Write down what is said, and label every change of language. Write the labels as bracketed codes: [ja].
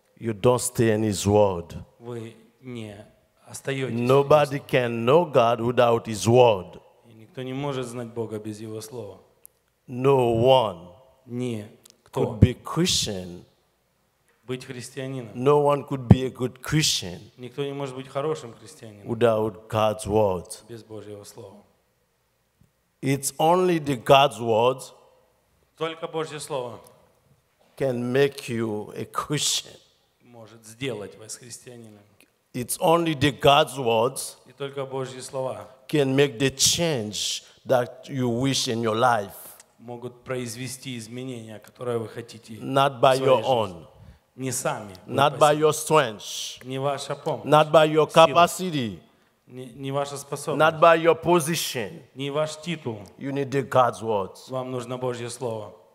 [en] You don't stay in His word. [ru] Вы не остаетесь. [en] Nobody can know God without His word. [ru] И никто не может знать Бога без Его слова. [en] No one could be Christian. [ru] Быть христианином. [en] No one could be a good Christian. [ru] Никто не может быть хорошим христианином. [en] Without God's word. [ru] Без Божьего слова. [en] It's only the God's word. [ru] Только Божье слово. [en] Can make you a Christian. [ru] Может сделать вас христианином. [en] It's only the God's words. [ru] И только Божьи слова. [en] Can make the change that you wish in your life. [ru] Могут произвести изменения, которые вы хотите. [en] Not by your own. [ru] Не сами. [en] Not by your strength. [ru] Не ваша помощь. [en] Not by your capacity. [ru] Не ваша способность. [en] Not by your position. [ru] Не ваш титул. [en] You need the God's words. [ru] Вам нужно Божье слово.